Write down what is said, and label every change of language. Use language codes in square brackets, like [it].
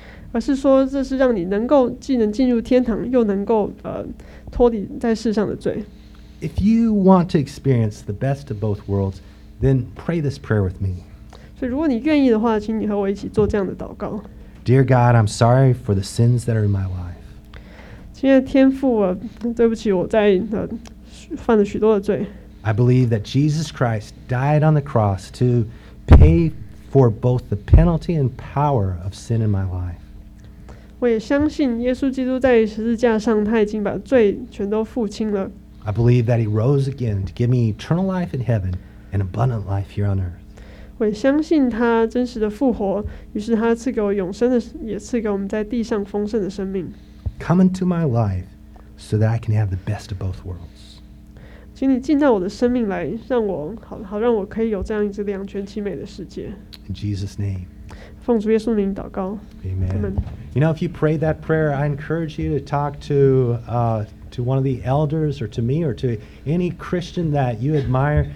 [zh] 而是说，这是让你能够既能进入天堂，又能够脱离在世上的罪。 [en] If you want to experience the best of both worlds, then pray this prayer with me. [zh] 所以，如果你愿意的话，请你和我一起做这样的祷告。 [en] Dear God, I'm sorry for the sins that are in my life. [zh] 亲爱的天父，对不起，我在犯了许多的罪。 [en] I believe that Jesus Christ died on the cross to. Pay for both the penalty and power of sin in my life. [zh] 我也相信耶稣基督在十字架上，他已经把罪全都付清了。 [en] I believe that he rose again to give me eternal life in heaven and abundant life here on earth. [zh] 会相信他真实的复活，于是他赐给我永生的，也赐给我们在地上丰盛的生命。 [en] Come into my life so that I can have the best of both worlds. [zh] 请你进到我的生命来，让我好让我可以有这样一只两全其美的世界。 [en] In Jesus' name. [zh] 奉主耶稣名祷告。 [en] Amen. Amen. You know, if you pray that prayer, I encourage you to talk to one of the elders or to me or to any Christian that you admire.